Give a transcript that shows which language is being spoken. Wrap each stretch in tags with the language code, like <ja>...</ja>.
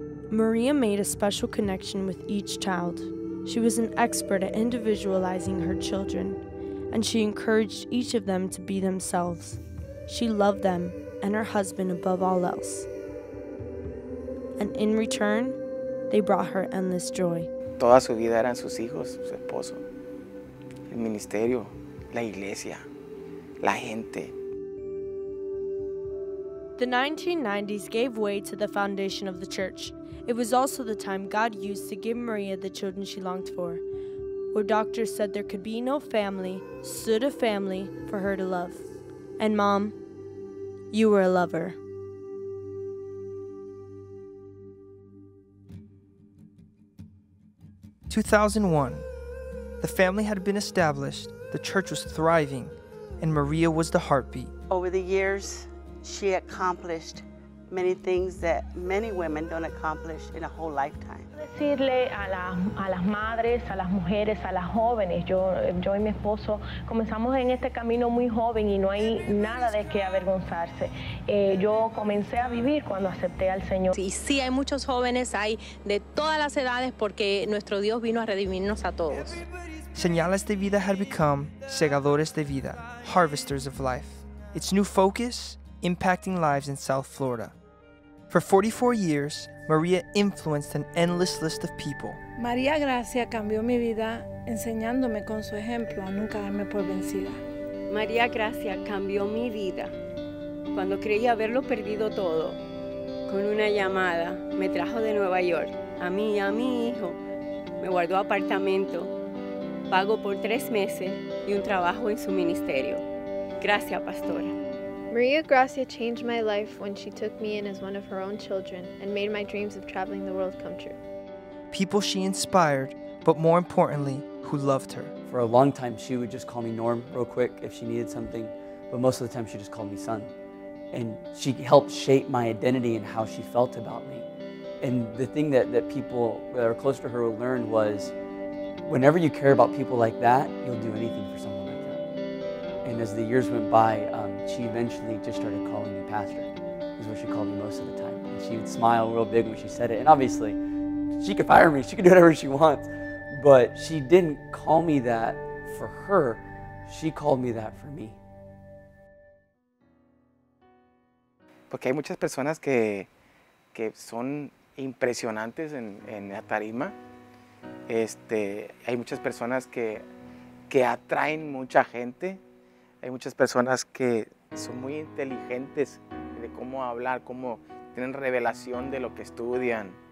<en>Maria made a special connection with each child. She was an expert at individualizing her children, and she encouraged each of them to be themselves. She loved them and her husband above all else. And in return, they brought her endless joy.</en> <es>Toda su vida eran sus hijos, su esposo, el ministerio, la iglesia, la gente.</es> <en>The 1990s gave way to the foundation of the church. It was also the time God used to give Maria the children she longed for. Where doctors said there could be no family, stood a family for her to love. And Mom, you were a lover. In 2001, the family had been established, the church was thriving, and Maria was the heartbeat. Over the years, she accomplished many things that many women don't accomplish in a whole lifetime.</en> <es>Decirle a las madres, a las mujeres, a las jóvenes, yo y mi esposo comenzamos en este camino muy joven y no hay nada de qué avergonzarse. Yo comencé a vivir cuando acepté al Señor. Y sí, hay muchos jóvenes, hay de todas las edades porque nuestro Dios vino a redimirnos a todos.</es> <en>Señales de Vida had become Segadores de Vida, Harvesters of Life. Its new focus, impacting lives in South Florida. For 44 years, Maria influenced an endless list of people.</en> <es>Maria Gracia cambió mi vida enseñándome con su ejemplo a nunca darme por vencida. Maria Gracia cambió mi vida cuando creí haberlo perdido todo. Con una llamada me trajo de Nueva York a mí y a mi hijo. Me guardó apartamento, pago por 3 meses y un trabajo en su ministerio. Gracias, pastora.</es> <en>Maria Gracia changed my life when she took me in as one of her own children and made my dreams of traveling the world come true. People she inspired, but more importantly, who loved her. For a long time, she would just call me Norm real quick if she needed something, but most of the time she just called me son. And she helped shape my identity and how she felt about me. And the thing that people that are close to her will learn was, whenever you care about people like that, you'll do anything for someone like that. And as the years went by, she eventually just started calling me pastor, is what she called me most of the time. And she would smile real big when she said it. And obviously, she could fire me. She could do whatever she wants. But she didn't call me that for her. She called me that for me.</en> <es>Porque hay muchas personas que son impresionantes en la tarima. Hay muchas personas que atraen mucha gente. Hay muchas personas que son muy inteligentes de cómo hablar, cómo tienen revelación de lo que estudian.</es>